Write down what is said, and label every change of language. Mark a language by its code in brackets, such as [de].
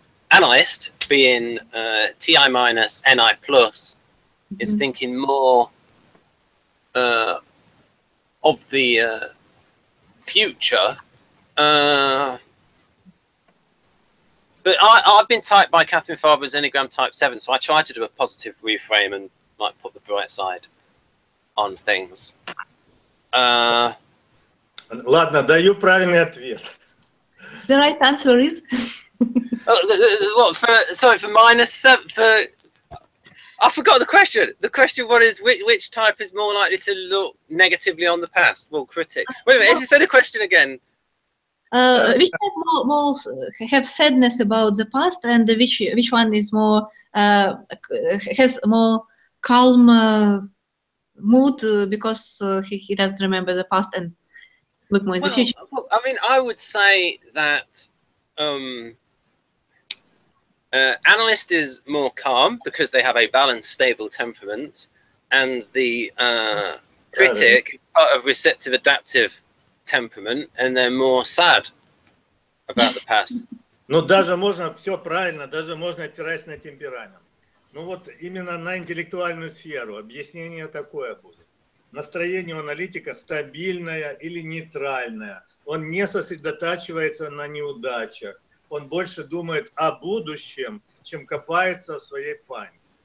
[en] analyst being TI minus NI plus is thinking more of the future, but I've been typed by Catherine Farber's Enneagram type 7, so I try to do a positive reframe and like put the bright side on things. [ru] Ладно, даю правильный ответ. [en] The right answer is for minus 7, I forgot the question. The question what is which type is more likely to look negatively on the past? Well, critic. Wait, if you say the question again. Which type more have sadness about the past, and which one is more has more calm mood because he doesn't remember the past and look more in the future? Well, I mean, I would say that analyst is more calm because they have a balanced, stable temperament, and the critic is part of receptive, adaptive temperament, and they're more sad about the past. [ru] Ну, даже можно все правильно, даже можно опираясь на темперамент. Ну вот именно на интеллектуальную сферу объяснение такое будет. Настроение у аналитика стабильное или нейтральное. Он не сосредотачивается на неудачах. Он больше думает о будущем, чем копается в своей памяти.